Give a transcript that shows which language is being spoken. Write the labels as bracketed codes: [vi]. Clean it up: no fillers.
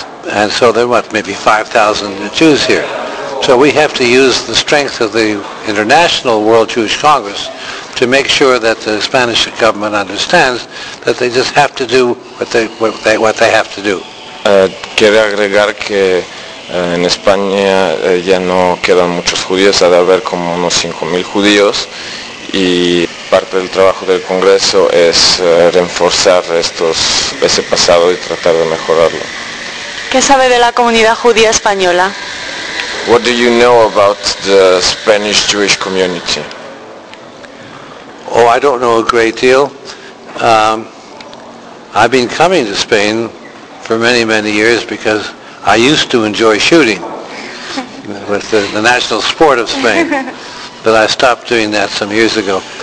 [en] And so there were maybe 5,000 Jews here. So we have to use the strength of the International World Jewish Congress to make sure that the Spanish government understands that they just have to do what they have to do. [es] Quiero agregar que en España ya no quedan muchos judíos, ha de haber como unos 5,000 judíos, y parte del trabajo del Congreso es reforzar ese pasado y tratar de mejorarlo. ¿Qué sabe de la comunidad judía española? [en] What do you know about the Spanish Jewish community? Oh, I don't know a great deal. I've been coming to Spain for many, many years because I used to enjoy shooting with the national sport of Spain, but I stopped doing that some years ago.